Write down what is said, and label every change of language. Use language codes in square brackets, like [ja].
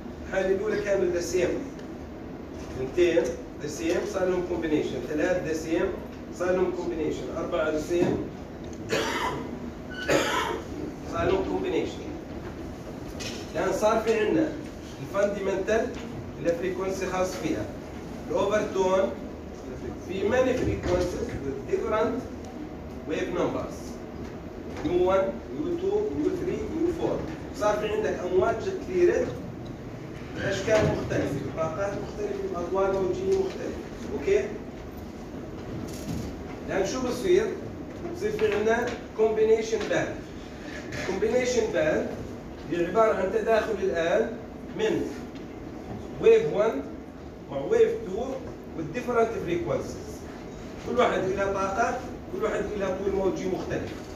[ar] الحالة الأولى كانوا the same. اثنتين the same صار لهم combination. ثلاثة the same صار لهم combination. أربعة the same صار لهم combination. لأن صار في عنا the fundamental اللي frequency خاص فيها. [en] The overtone في many frequencies with different wave numbers. [ar] نيو 1 نيو 2 نيو 3 نيو 4 صار في عندك امواج كثيره باشكال مختلفه بطاقات مختلفه اضواء موجيه مختلفه اوكي لان شو بصير بصير في عندنا كومبينيشن باند كومبينيشن باند هي عباره عن تداخل الان من ويف 1 مع ويف 2 والديفرنت فريكوانسيز كل واحد له طاقه كل واحد له طول موجي مختلف